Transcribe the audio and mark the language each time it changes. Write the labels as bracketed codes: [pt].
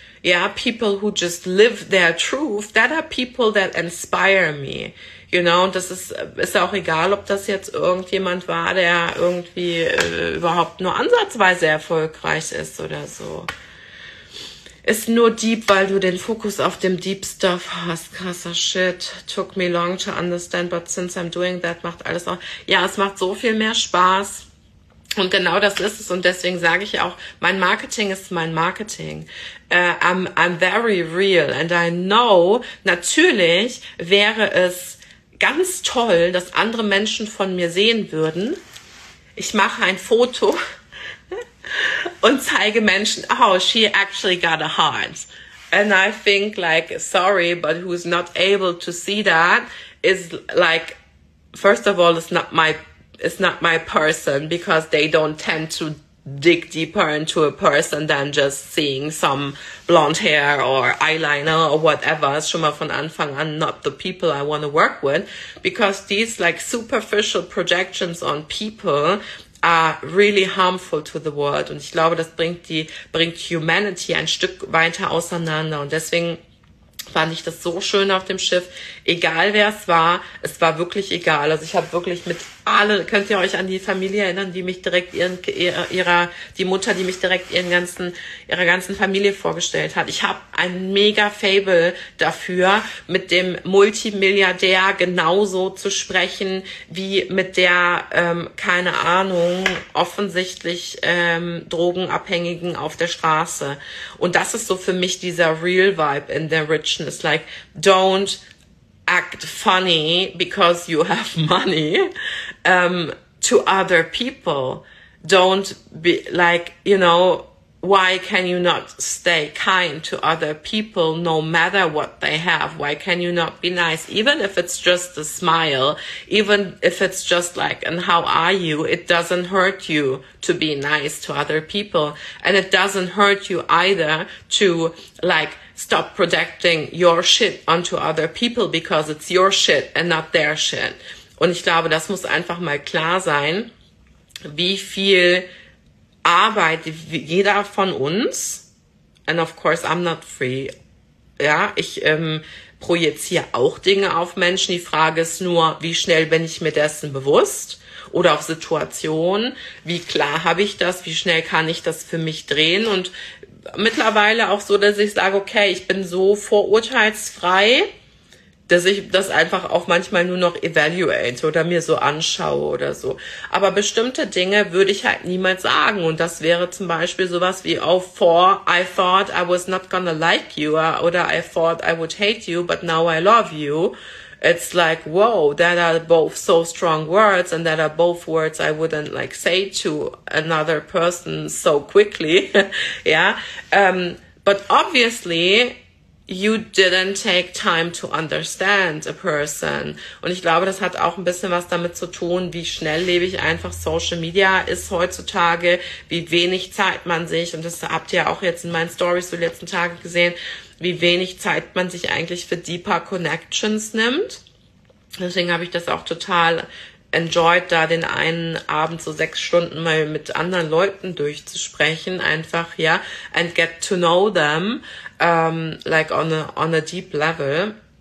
[en] Yeah, people who just live their truth, that are people that inspire me, you know, [de] und das ist auch egal, ob das jetzt irgendjemand war, der irgendwie überhaupt nur ansatzweise erfolgreich ist oder so. ist nur deep, weil du den Fokus auf dem deep stuff hast. Krasser Shit. [en] Took me long to understand, but since I'm doing that, [de] macht alles auch. Ja, es macht so viel mehr Spaß. Und genau das ist es. Und deswegen sage ich auch, mein Marketing ist mein Marketing. [en] I'm very real. And I know, [de] natürlich wäre es ganz toll, dass andere Menschen von mir sehen würden. Ich mache ein Foto und zeige Menschen, [en] oh, she actually got a heart. And I think like, sorry, but who's not able to see that is like, first of all, it's not my person, because they don't tend to dig deeper into a person than just seeing some blonde hair or eyeliner or whatever. It's [de] schon mal von Anfang an [en] not the people I want to work with, because these like superficial projections on people are really harmful to the world. [de] Und ich glaube, das bringt Humanity ein Stück weiter auseinander. Und deswegen fand ich das so schön auf dem Schiff. Egal wer es war wirklich egal. Also ich habe wirklich mit alle, könnt ihr euch an die Familie erinnern, die mich direkt ihrer ganzen Familie vorgestellt hat. Ich habe ein mega Fable dafür, mit dem Multimilliardär genauso zu sprechen, wie mit der, keine Ahnung, offensichtlich Drogenabhängigen auf der Straße. Und das ist so für mich dieser Real Vibe in der Richness. [en] Like, don't act funny because you have money to other people. Don't be like, you know, why can you not stay kind to other people no matter what they have? Why can you not be nice? Even if it's just a smile, even if it's just like, and how are you? It doesn't hurt you to be nice to other people. And it doesn't hurt you either to like stop projecting your shit onto other people, because it's your shit and not their shit. [de] Und ich glaube, das muss einfach mal klar sein, wie viel Arbeit jeder von uns, [en] and of course I'm not free, [de] ja, ich projiziere auch Dinge auf Menschen. Die Frage ist nur, wie schnell bin ich mir dessen bewusst oder auf Situationen, wie klar habe ich das, wie schnell kann ich das für mich drehen. Und mittlerweile auch so, dass ich sage, okay, ich bin so vorurteilsfrei, dass ich das einfach auch manchmal nur noch evaluate oder mir so anschaue oder so. Aber bestimmte Dinge würde ich halt niemals sagen. Und das wäre zum Beispiel sowas wie, [en] oh, for I thought I was not gonna like you, oder I thought I would hate you, but now I love you. It's like, wow, that are both so strong words, and that are both words I wouldn't like say to another person so quickly. Yeah. But obviously you didn't take time to understand a person. [de] Und ich glaube, das hat auch ein bisschen was damit zu tun, wie schnelllebig einfach Social Media ist heutzutage, wie wenig Zeit man sich, und das habt ihr auch jetzt in meinen Stories so die letzten Tage gesehen, wie wenig Zeit man sich eigentlich für deeper Connections nimmt. Deswegen habe ich das auch total enjoyed, da den einen Abend so 6 Stunden mal mit anderen Leuten durchzusprechen, einfach, ja, [en] and get to know them, like on a deep level.